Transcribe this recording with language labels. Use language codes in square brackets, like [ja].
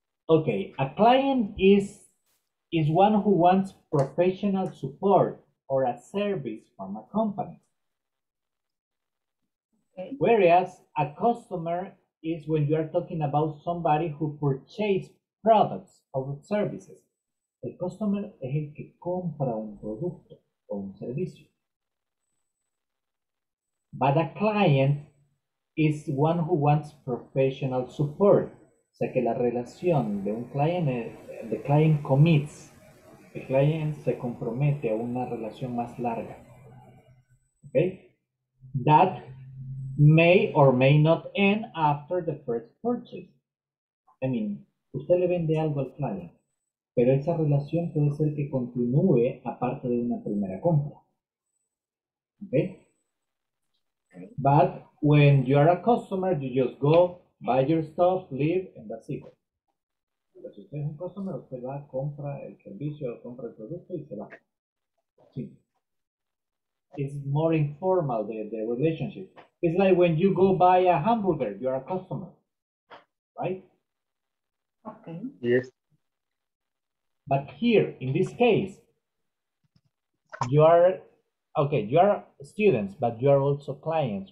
[en] Okay, a client is one who wants professional support or a service from a company. Okay. Whereas a customer is when you are talking about somebody who purchases products or services. [es] El customer es el que compra un producto o un servicio. [en] But a client is one who wants professional support. [es] O sea que la relación de un client, [en] the client commits. [es] El cliente se compromete a una relación más larga. Okay? [en] That may or may not end after the first purchase. [es] I mean, usted le vende algo al cliente, pero esa relación puede ser que continúe aparte de una primera compra. Okay? [en] But when you are a customer, you just go, buy your stuff, leave, and that's it. [es] Si usted es un customer, usted va, compra el servicio, compra el producto y se va. [en] Sí. It's more informal, the relationship. It's like when you go buy a hamburger, you are a customer. Right? Okay. Yes. But here, in this case, you are students, but you are also clients.